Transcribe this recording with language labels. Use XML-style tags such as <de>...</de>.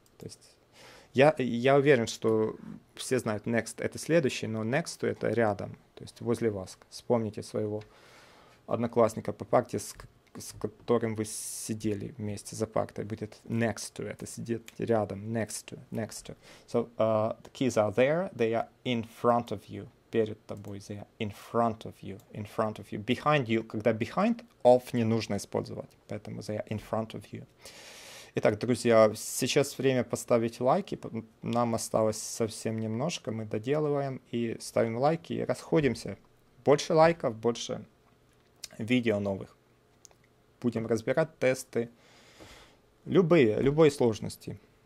<ru>То есть я уверен, что все знают next — это следующий, но next to — это рядом, то есть возле вас. Вспомните своего одноклассника по парте, с которым вы сидели вместе за партой, будет next to, это сидит рядом, next to, next to.</ru> <en>So, the keys are there, they are in front of you,</en> <ru>перед тобой,</ru> <en>they are in front of you, in front of you. Behind you,</en> <ru>когда</ru> <en>behind, of</en> <ru>не нужно использовать, поэтому</ru> <en>they are in front of you.</en> <ru>Итак, друзья, сейчас время поставить лайки, нам осталось совсем немножко, мы доделываем и ставим лайки и расходимся. Больше лайков, больше видео новых. Будем разбирать тесты, любые, любой сложности.</ru>